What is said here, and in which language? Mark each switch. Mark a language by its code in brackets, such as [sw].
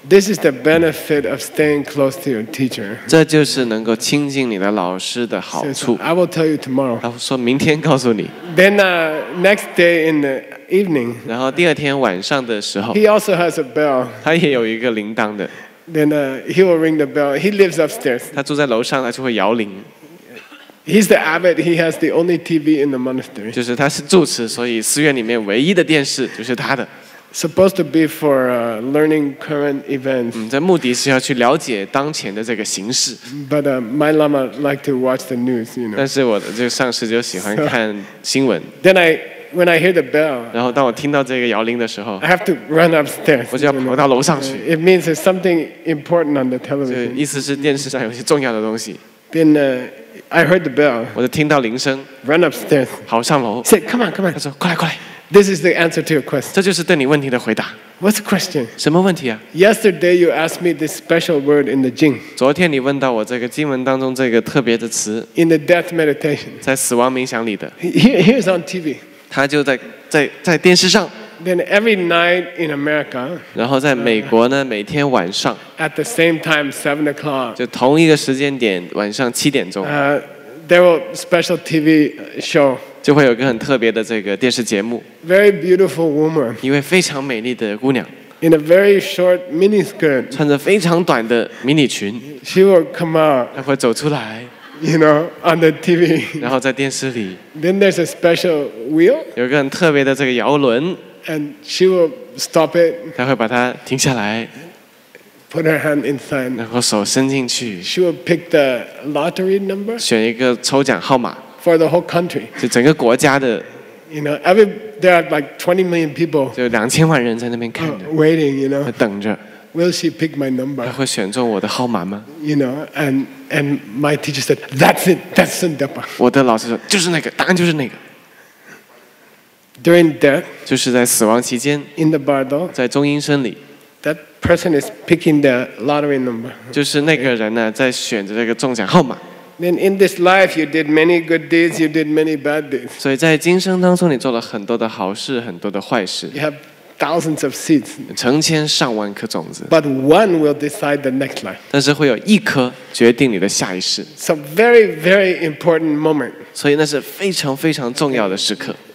[en] This is the benefit of staying close to your teacher. [zh] 这就是能够亲近你的老师的好处。 [en] I will tell you tomorrow. [zh] 他说明天告诉你。 [en] Then next day in the evening. [zh] 然后第二天晚上的时候。 [en] He also has a bell. [zh] 他也有一个铃铛的。 [en] Then he will ring the bell. He lives upstairs. [zh] 他住在楼上，他就会摇铃。 [en] He's the abbot. He has the only TV in the monastery. [zh] 就是他是住持，所以寺院里面唯一的电视就是他的。 [en] Supposed to be for learning current events. [zh] 在目的是要去了解当前的这个形势。 [en] But my lama like to watch the news, you know. [zh] 但是我的这个上师就喜欢看新闻。 [en] Then I. When I hear the bell, [zh] 然后当我听到这个摇铃的时候, [en] I have to run upstairs. [zh] 我就要跑到楼上去。 [en] It means there's something important on the television. [zh] 意思是电视上有些重要的东西。 [en] Then I heard the bell. [zh] 我就听到铃声。 [en] Run upstairs. [zh] 跑上楼。 [en] Say, come on, come on. [zh] 他说，快来，快来。 [en] This is the answer to your question. [zh] 这就是对你问题的回答。 [en] What's the question? [zh] 什么问题啊? [en] Yesterday you asked me this special word in the Jing. [zh] 昨天你问到我这个经文当中这个特别的词。 [en] In the death meditation. [zh] 在死亡冥想里的。 [en] Here's on TV. [zh] 他就在电视上。 [en] Then every night in America. [zh] 然后在美国呢, 每天晚上, [en] at the same time, 7 o'clock. [zh] 就同一个时间点, 晚上7点钟, [en] there will special TV show. [zh] 就会有一个很特别的这个电视节目。 [en] Very beautiful woman. [zh] 一位非常美丽的姑娘。 [en] In a very short mini skirt. [zh] 穿着非常短的迷你裙。 [en] She will come out. [zh] 她会走出来。 [en] You know, on the TV. [zh] 然后在电视里, [en] then there's a special wheel. [zh] 有个很特别的这个摇轮, [en] and she will stop it. [zh] 她会把它停下来, [en] put her hand inside. [zh] 然后手伸进去。 [en] She will pick the lottery number. [zh] 选一个抽奖号码。 [en] For the whole country. [zh] 就整个国家的。 [en] You know, there are like 20 million people. [zh] 就两千万人在那边看着。 [en] Waiting, you know. [zh] 等着。 [en] Will she pick my number? [zh] 她会选中我的号码吗？ [en] You know, and my teacher said, "That's it, that's Sundapa." [zh] 我的老师说，就是那个，答案就是那个。 [en] During death, [zh] 就是在死亡期间。 [en] In the bardo, [zh] 在中阴身里。 [en] That person is picking the lottery number. [zh] 就是那个人呢，在选择这个中奖号码。 [en] Then in this life, you did many good deeds, you did many bad deeds. [zh] 所以在今生当中，你做了很多的好事，很多的坏事。 [en] You have thousands of seeds. [zh] 成千上万颗种子。 [en] But one will decide the next life. [zh] 但是会有一颗决定你的下一世。 [en] So very, very important moment. [zh] 所以那是非常非常重要的时刻。